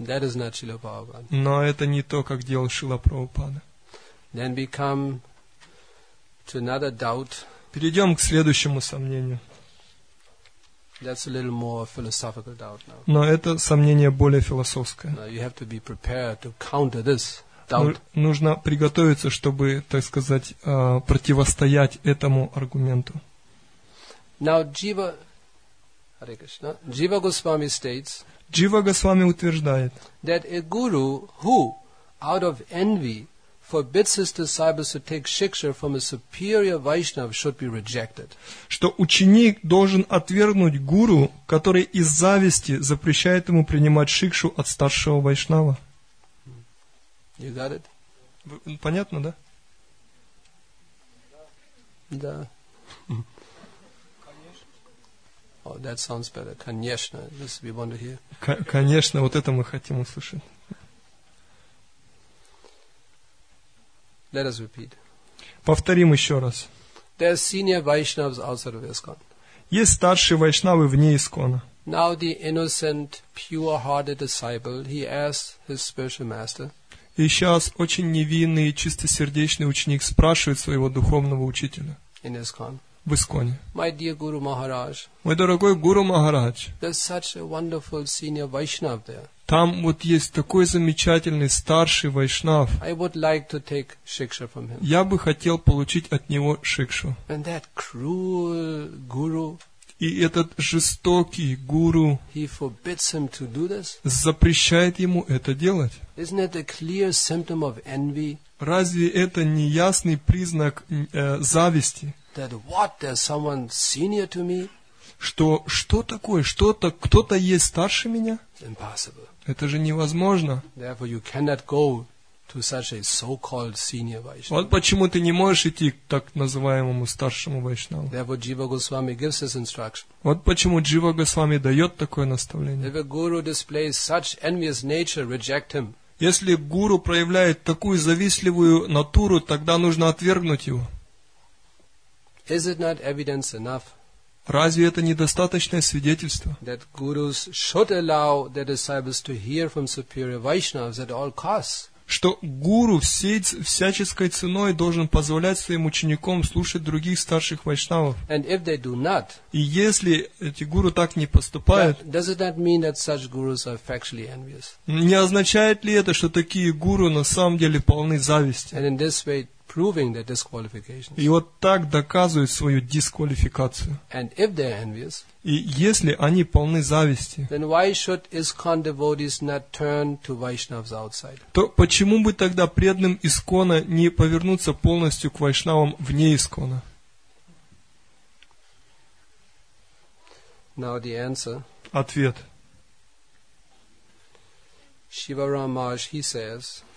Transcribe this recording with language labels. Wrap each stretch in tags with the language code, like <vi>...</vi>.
<en>That is not Srila Prabhupada.</en> <ru>Но это не то, как делал Шрила Прабхупада.</ru> <en>Then we come to another doubt.</en> <ru>Перейдем к следующему сомнению.</ru> <en>That's a little more philosophical doubt now.</en> <ru>Но это сомнение более философское.</ru> <en>Now you have to be prepared to counter this doubt.</en> <ru>Нужно приготовиться, чтобы, так сказать, противостоять этому аргументу.</ru> <en>Now, Jiva... Hare Krishna. Jiva Goswami states,</en> <ru>Jiva Goswami утверждает,</ru> <en>that a guru who, out of envy, forbids his disciples to take shiksha from a superior Vaishnava should be rejected.</en> <ru>Что ученик должен отвергнуть гуру, который из зависти запрещает ему принимать шикшу от старшего Вайшнава.</ru> <en>You got it?</en> <ru>Понятно, да? Да.</ru> <en>Oh, that sounds better.</en> <ru>Конечно,</ru> <en>this we want to hear.</en> <ru>Конечно, вот это мы хотим услышать.</ru> <en>Let us repeat.</en> <ru>Повторим еще раз.</ru> <en>There are senior Vaishnavas outside of ISKCON.</en> <ru>Есть старшие вайшнавы вне ИСКОНа.</ru> <en>Now the innocent, pure-hearted disciple, he asks his spiritual master.</en> <ru>И сейчас очень невинный, чистосердечный ученик спрашивает своего духовного учителя.</ru> <en>In ISKCON.</en> <ru>В Исконе.</ru> <en>My dear Guru Maharaj,</en> <ru>мой дорогой Гуру Махарадж,</ru> <en>there's such a wonderful senior Vaishnav there.</en> <ru>Там вот есть такой замечательный старший Вайшнав.</ru> <en>I would like to take shiksha from him.</en> <ru>Я бы хотел получить от него шикшу.</ru> <en>And that cruel guru,</en> <ru>и этот жестокий гуру,</ru> <en>he forbids him to do this?</en> <ru>Запрещает ему это делать.</ru> <en>Isn't it a clear symptom of envy?</en> <ru>Разве это не ясный признак зависти?</ru> <en>That what, there's someone senior to me?</en> <ru>Что такое? Что-то, кто-то есть старше меня?</ru> <en>Impossible.</en> <ru>Это же невозможно.</ru> <en>Therefore you cannot go to such a so-called senior Vaishnava.</en> <ru>Вот почему ты не можешь идти к так называемому старшему Вайшнаву.</ru> <en>Therefore Jiva Goswami gives this instruction.</en> <ru>Вот почему Джива Госвами дает такое наставление.</ru> <en>If a guru displays such envious nature, reject him.</en> <ru>Если гуру проявляет такую завистливую натуру, тогда нужно отвергнуть его.</ru> <en>Is it not evidence enough?</en> <ru>Разве это недостаточное свидетельство?</ru> <en>That gurus should allow their disciples to hear from superior Vaishnavas at all costs.</en> <ru>Что гуру всяческой ценой должен позволять своим ученикам слушать других старших вайшнавов.</ru> <en>And if they do not,</en> <ru>и если эти гуру так не поступают,</ru> <en>does it not mean that such gurus are factually envious?</en> <ru>Не означает ли это, что такие гуру на самом деле полны зависти?</ru> <en>And in this way, proving their disqualifications.</en> <ru>И вот так доказывают свою дисквалификацию.</ru> <en>And if they are envious,</en> <ru>и если они полны зависти,</ru> <en>then why should ISKCON devotees not turn to Vaishnavas outside?</en> <ru>То почему бы тогда преданным ИСКОНа не повернуться полностью к вайшнавам вне ИСКОНа?</ru> <en>Now the answer.</en> <ru>Ответ.</ru> <en>Shivaram Maharaj, he says.</en>